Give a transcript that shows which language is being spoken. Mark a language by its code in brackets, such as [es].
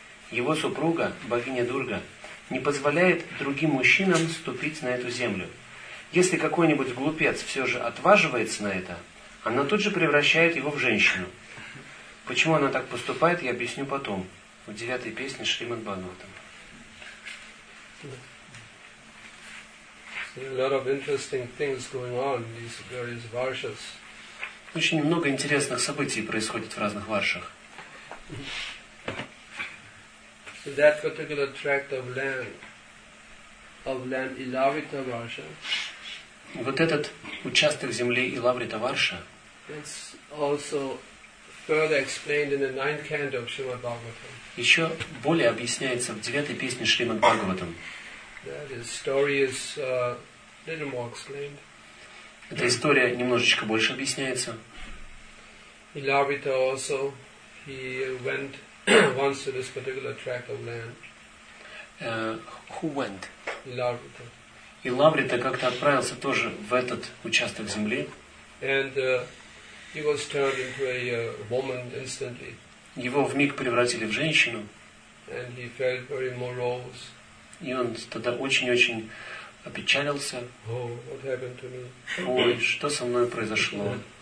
[ru] Его супруга, богиня Дурга, не позволяет другим мужчинам ступить на эту землю. Если какой-нибудь глупец все же отваживается на это, она тут же превращает его в женщину. Почему она так поступает, я объясню потом, в 9-й песне Шримад Бхагаватам. [en] A lot of interesting things going on in these various varshas. [ru] Очень много интересных событий происходит в разных варшах. [en] So that particular tract of land, Ilavrita Varsha. [ru] Вот этот участок земли Илаврита Варша. [en] It's also further explained in the 9th canto of Srimad Bhagavatam. [ru] Еще более объясняется в 9-й песне Шримад Бхагаватам. [en] That is, story is. Little more explained. [ru] Эта история немножечко больше объясняется. [en] Илавита also, he went once to this particular tract of land. Who went? [ru] Илавита. Илавита как-то отправился тоже в этот участок земли. [en] And he was turned into a woman instantly. [ru] Его вмиг превратили в женщину. [en] And he felt very morose. [ru] И он тогда очень-очень опечалился. [en] Oh, what happened to me? [ru] Ой, что со мной произошло?